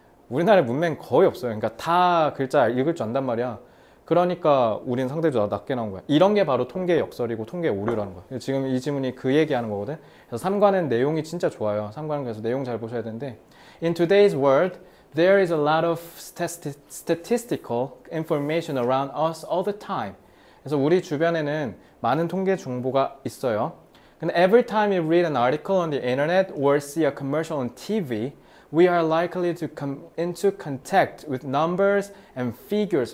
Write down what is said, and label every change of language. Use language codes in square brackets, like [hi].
[ko] 우리나라에 문맹 거의 없어요. 그러니까 다 글자 읽을 줄 안단 말이야. 그러니까 우린 상대적으로 낮게 나온 거야. 이런 게 바로 통계 역설이고 통계 오류라는 거야. 지금 이 질문이 그 얘기하는 거거든. 그래서 3과는 내용이 진짜 좋아요. 3과는 그래서 내용 잘 보셔야 되는데. [en] In today's world, there is a lot of statistical information around us all the time. [ko] 그래서 우리 주변에는 많은 통계 정보가 있어요. [en] And every time you read an article on the internet or see a commercial on TV, We are likely to come into contact with numbers and figures.